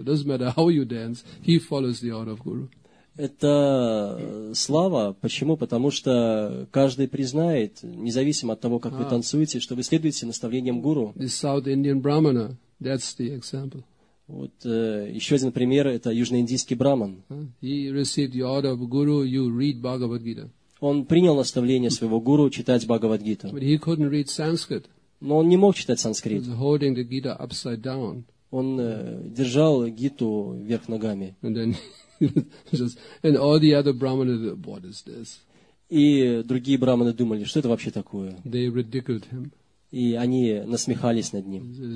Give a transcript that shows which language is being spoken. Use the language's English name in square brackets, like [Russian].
[English] It doesn't matter how you dance. He follows the order of guru. [Russian] Это слава. Почему? Потому что каждый признает, независимо от того, как вы танцуете, что вы следуете наставлениям гуру. [English] The South Indian Brahmana. That's the example. [Russian] Вот еще один пример – это южноиндийский браман. [English] He received the order of guru, you read Bhagavad Gita. [Russian] Он принял наставление своего гуру читать Бхагавад-гиту. [English] But he couldn't read Sanskrit. [Russian] Но он не мог читать санскрит. [English] He was holding the Gita upside down. [Russian] Он держал гиту вверх ногами. [English] And then just, and all the other brahmanas, what is this? [Russian] И другие браманы думали, что это вообще такое? [English] They ridiculed him. [Russian] И они насмехались над ним.